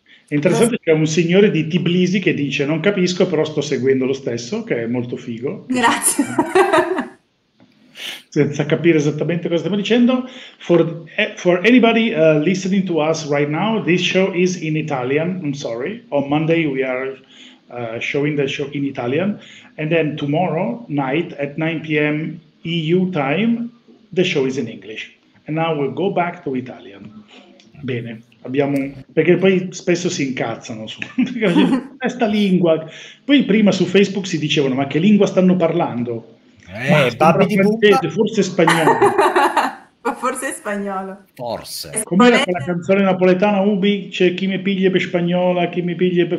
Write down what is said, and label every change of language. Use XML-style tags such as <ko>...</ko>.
<it>È interessante che c'è un signore di Tbilisi che dice: non capisco, però sto seguendo lo stesso, che è molto figo, che ci Grazie. senza capire esattamente cosa stiamo dicendo.</it> <en>For anybody listening to us right now, this show is in Italian. I'm sorry. On Monday we are showing the show in Italian. And then tomorrow night at 9 p.m. EU time, the show is in English. And now we'll go back to Italian.</en> <it>Bene, perché poi spesso si incazzano su questa lingua. Poi prima su Facebook si dicevano: ma che lingua stanno parlando? Ma sembra Babidi Bunga. francese, forse spagnolo. Forse è spagnolo. Forse. Com'era quella canzone napoletana, Ubi? C'è chi mi piglia per spagnola, chi mi piglia per</it>